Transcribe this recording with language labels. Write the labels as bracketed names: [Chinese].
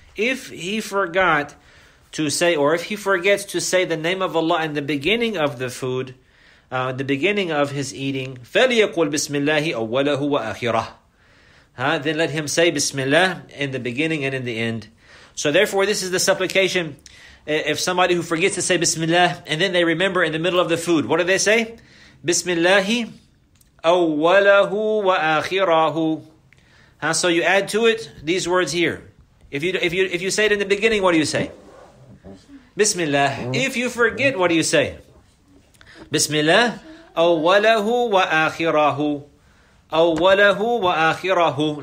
[English] If he forgot to say, or if he forgets to say the name of Allah in the beginning of the food, the beginning of his eating, [Arabic] فَلْيَقُلْ بِسْمِ اللَّهِ وَأَخِرَهُ. [English] Then let him say Bismillah in the beginning and in the end. So therefore, this is the supplication. If somebody who forgets to say Bismillah, and then they remember in the middle of the food, what do they say? [Arabic] Bismillahi أَوَّلَهُ وَأَخِرَهُ. [English] So you add to it these words here. If you say it in the beginning, what do you say? Bismillah. If you forget, what do you say? Bismillah. [Arabic] Awwalahu wa akhirahu. Awwalahu wa akhirahu.